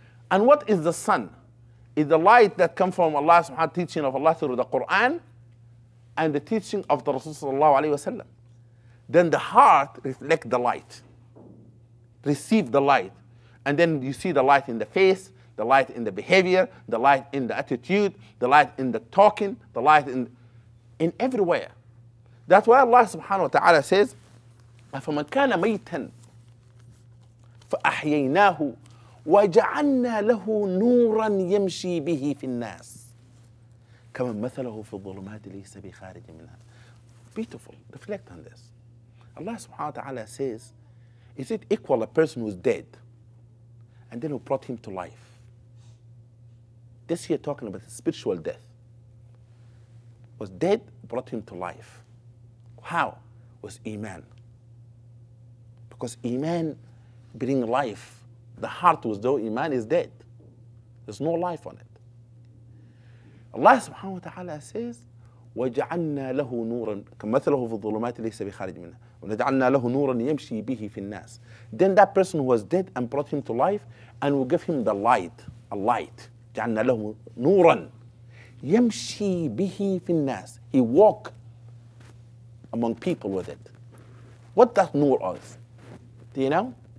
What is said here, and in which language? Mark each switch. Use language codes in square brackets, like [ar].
[en] And what is the sun? Is the light that comes from Allah subhanahu wa ta'ala, teaching of Allah through the Quran and the teaching of the Rasul sallallahu alayhi wa sallam. Then the heart reflect the light, receive the light. And then you see the light in the face, the light in the behavior, the light in the attitude, the light in the talking, the light in everywhere. [ar] That's why Allah subhanahu wa ta'ala says, فَمَنْ كَانَ مَيْتًا فَأَحْيَيْنَاهُ وَجَعَلْنَا لَهُ نُورًا يَمْشِي بِهِ فِي النَّاسِ كَمَنْ مَثَلَهُ فِي الظُّلُمَاتِ لَيْسَ بِخَارِجٍ مِنْهَا. [en] Beautiful, reflect on this. Allah subhanahu wa ta'ala says, is it equal a person who's dead and then who brought him to life? This here talking about spiritual death. Was dead, brought him to life. How? Was iman. Because iman bring life. The heart was though iman is dead. There's no life on it. Allah subhanahu wa ta'ala says, [ar] وَجَعَلْنَا لَهُ نُورًا كَمَثَلَهُ فِي الظُّلُمَاتِ لَيْسَ بِخَارِجٍ مِنْهَا وَنَجْعَلْنَا لَهُ نُورًا يَمْشِي بِهِ فِي النَّاسِ. [en] Then that person who was dead and brought him to life, and we give him the light, a light. [ar] جَعَلْنَا لَهُ نُورًا يَمْشِي بِهِ فِي النَّاسِ. [en] He walk among people with it. What that nur is? Do you know?